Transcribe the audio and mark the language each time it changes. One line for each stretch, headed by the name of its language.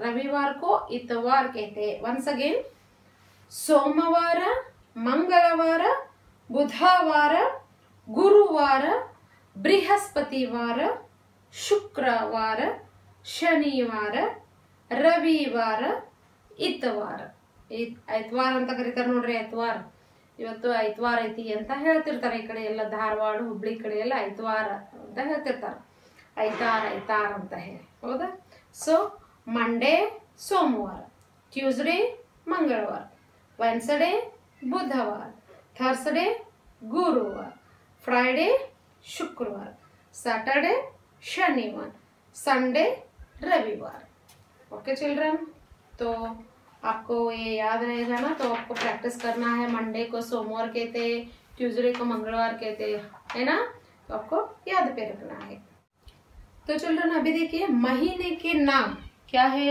Hindi: रविवार को इतवार कहते हैं. वंस अगेन, सोमवार मंगलवार बुधवार गुरुवार बृहस्पतिवार शुक्रवार शनिवार रविवार ಇತವಾರ.
Kannada: ಇತವಾರ ಅಂತ ಕರೀತಾರೆ ನೋಡ್ರಿ, ಇತವಾರ ಇವತ್ತು ಐತವಾರ ಐತಿ ಅಂತ ಹೇಳ್ತಿರ್ತಾರ. ಈ ಕಡೆ ಎಲ್ಲ ಧಾರವಾಡ ಹುಬ್ಳಿ ಕಡೆ ಎಲ್ಲ ಐತವಾರ ಅಂತ ಹೇಳ್ತಿರ್ತಾರ, ಐತಾರ ಐತಾರ ಅಂತ ಹೇಳಿ. ಹೌದಾ? ಸೊ ಮಂಡೇ ಸೋಮವಾರ, ಟ್ಯೂಸ್ಡೇ ಮಂಗಳವಾರ, ವೆನ್ಸ್ಡೇ ಬುಧವಾರ, ಥರ್ಸ್ಡೇ ಗುರುವಾರ, ಫ್ರೈಡೇ ಶುಕ್ರವಾರ, ಸಾಟರ್ಡೇ ಶನಿವಾರ, ಸಂಡೇ ರವಿವಾರ.
English: okay children,
Hindi: ತೋ आपको ये याद रहेगा ना, तो आपको प्रैक्टिस करना है. मंडे को सोमवार कहते, ट्यूसडे को मंगलवार कहते, है ना? तो आपको याद पे रखना है. तो चिल्ड्रन अभी देखिए महीने के नाम क्या है.